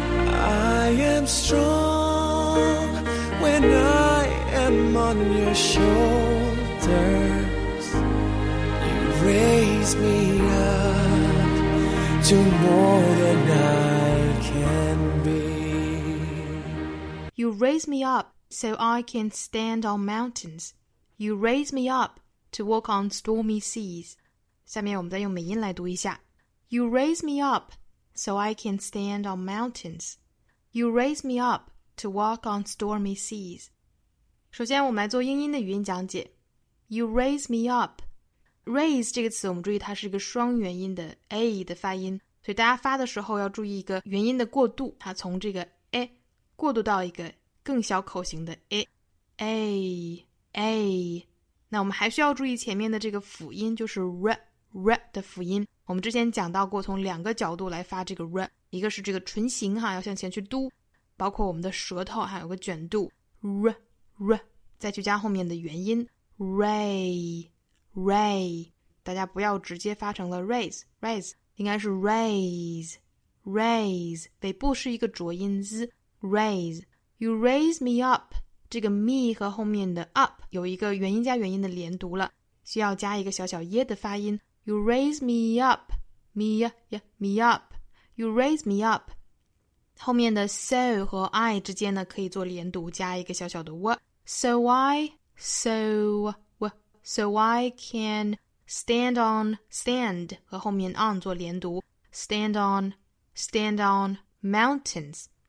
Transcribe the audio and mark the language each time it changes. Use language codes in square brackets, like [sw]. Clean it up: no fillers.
[en] I am strong when I am on your shoulders. You raise me up to more than I can be. You raise me up so I can stand on mountains. You raise me up to walk on stormy seas. [zh] 下面我们再用美音来读一下。 [en] You raise me up so I can stand on mountains. You raise me up to walk on stormy seas. [zh] 首先我们来做英音的语音讲解。 [en] You raise me up. [zh] Raise 这个词我们注意它是一个双元音的 A 的发音。所以大家发的时候要注意一个元音的过渡。它从这个 A 过渡到一个更小口型的 A。 A... A, 那我们还需要注意前面的这个辅音，就是 R, R 的辅音。我们之前讲到过从两个角度来发这个 R, 一个是这个唇形哈，要向前去嘟，包括我们的舌头还有个卷度 R, R, 再去加后面的元音 Ray, Ray, 大家不要直接发成了 raise, raise, 应该是 raise, raise, 尾部是一个浊音 Z, raise, [en] you raise me up, [zh] 这个 me 和后面的 up 有一个元音加元音的连读了，需要加一个小小 ye 的发音。 [en] You raise me up, me, yeah, me up, you raise me up. [zh] 后面的 so 和 I 之间呢可以做连读，加一个小小的 w. [en] So I, so, w, so I can stand on, stand [zh] 和后面 [en] on [zh] 做连读。 [en] Stand on mountains.